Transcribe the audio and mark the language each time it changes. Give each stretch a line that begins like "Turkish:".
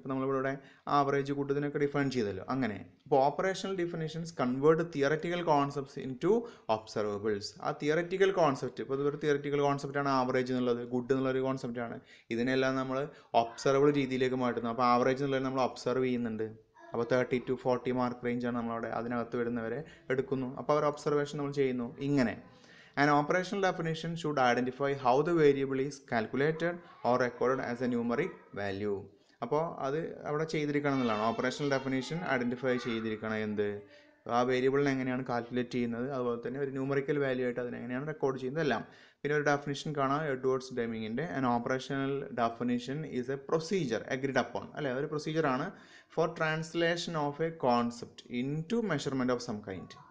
Malayalam: അപ്പോൾ നമ്മളിവിടെ average കൂട്ടത്തിനൊക്കെ define ചെയ്തല്ലോ. അങ്ങനെ അപ്പോൾ
English: Operational definitions convert theoretical concepts into observables.
Malayalam: ആ തിയററ്റിക്കൽ കോൺസെപ്റ്റ്, ഇപ്പോൾ ഇതൊരു തിയററ്റിക്കൽ കോൺസെപ്റ്റാണ് ആവറേജ് എന്നുള്ളത്, ഗുഡ് എന്നുള്ളൊരു കോൺസെപ്റ്റാണ്, ഇതിനെല്ലാം നമ്മൾ ഒബ്സർവബിൾ രീതിയിലേക്ക് മാറ്റുന്നു. അപ്പോൾ ആവറേജ് എന്നുള്ളത് നമ്മൾ ഒബ്സർവ് ചെയ്യുന്നുണ്ട്. അപ്പോൾ 30 to 40 മാർക്ക് റേഞ്ചാണ് നമ്മളവിടെ അതിനകത്ത് വരുന്നവരെ എടുക്കുന്നു. അപ്പോൾ അവർ ഒബ്സർവേഷൻ നമ്മൾ ചെയ്യുന്നു. ഇങ്ങനെ
English: an operational definition should identify how the variable is calculated or recorded as a numeric value.
Malayalam: അപ്പോൾ അത് അവിടെ ചെയ്തിരിക്കണം എന്നുള്ളതാണ്. ഓപ്പറേഷണൽ ഡെഫിനേഷൻ ഐഡൻറ്റിഫൈ ചെയ്തിരിക്കണം എന്ത്? ആ വേരിയബിളിനെ എങ്ങനെയാണ് കാൽക്കുലേറ്റ് ചെയ്യുന്നത്, അതുപോലെ തന്നെ ഒരു ന്യൂമറിക്കൽ വാല്യൂ ആയിട്ട് അതിനെ എങ്ങനെയാണ് റെക്കോർഡ് ചെയ്യുന്നത് എല്ലാം. പിന്നെ ഒരു ഡെഫിനിഷൻ കാണാം, Edwards ഡെമിംഗിൻ്റെ,
English: an operational definition is a procedure agreed upon,
Malayalam: അല്ലേ, ഒരു പ്രൊസീജിയറാണ്
English: For translation of a concept into measurement of some kind.